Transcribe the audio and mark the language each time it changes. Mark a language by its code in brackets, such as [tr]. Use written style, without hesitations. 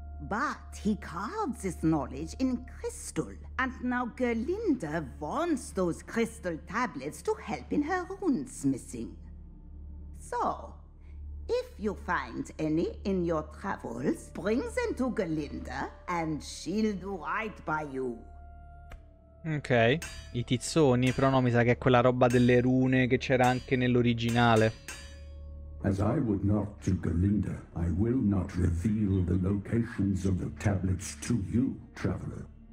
[en] But he carved this knowledge in crystal, and now Gerlinde wants those crystal tablets to help in her runesmithing. So, if you find any in your travels, bring them to Gerlinde, and she'll do right by you. [it] Ok, i tizzoni, però no, mi sa che è quella roba delle rune che c'era anche nell'originale. [en] As I would not to Gerlinde, I will not reveal the locations of the tablets to you, traveler.